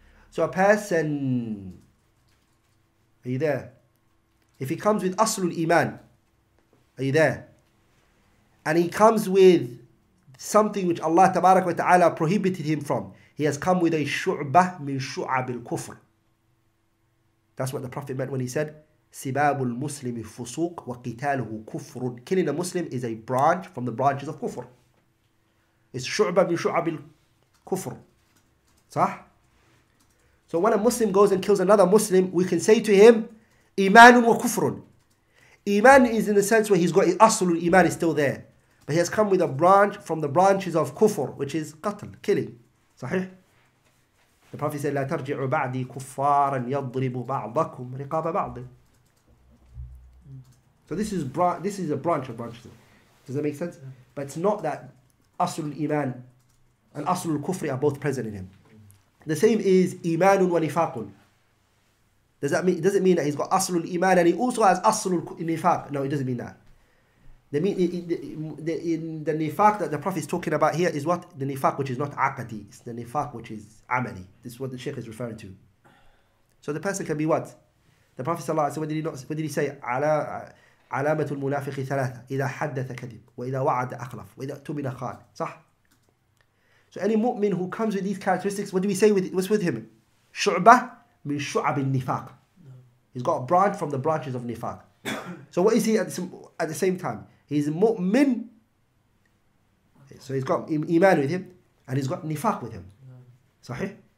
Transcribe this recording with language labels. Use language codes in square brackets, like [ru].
[en] So a person, are you there? If he comes with [ar] aslul iman, [en] are you there? And he comes with something which Allah tabarak wa ta'ala prohibited him from. He has come with a [ar] shu'bah min shu'ab al-kufr. [en] That's what the Prophet meant when he said, [ar] سباب المسلم فسوق وقتاله كفر. [en] Killing a Muslim is a branch from the branches of كفر. It's [ar] شعبة من شعب الكفر. [en] صح؟ So when a Muslim goes and kills another Muslim, we can say to him, [ar] إيمان وكفر. [en] إيمان is in the sense where he's got [ar] أصل الإيمان [en] is still there. But he has come with a branch from the branches of كفر, which is قتل, killing. صحيح؟ The Prophet said, [ar] لا ترجعوا بعدي كفارا يضرب بعضكم رقاب بعض. [en] So this is a branch of branches. Does that make sense? Yeah. But it's not that [ar] أصل الإيمان [en] and [ar] أصل الكفر [en] are both present in him. The same is [ar] إيمان ونفاق. [en] Does it mean that he's got [ar] أصل الإيمان [en] and he also has [ar] أصل النفاق? [en] No, it doesn't mean that. The nifaq that the Prophet is talking about here is what? The nifaq which is not aqadi. It's the nifaq which is amali. This is what the Shaykh is referring to. So the person can be what? The Prophet [ar] صلى الله عليه وسلم, [en] what did he say? [ar] علامة المنافق ثلاثة إذا حدث كذب وإذا وعد أخلف وإذا تمن خان. [en] صح؟ So any mu'min who comes with these characteristics, what do we say with it? [ar] What's with him? شعبة من شعب النفاق. [en] He's got a branch from the branches of nifaq. So what is he at the same time? He's a mu'min. So he's got iman with him and he's got nifaq with him. Sahih?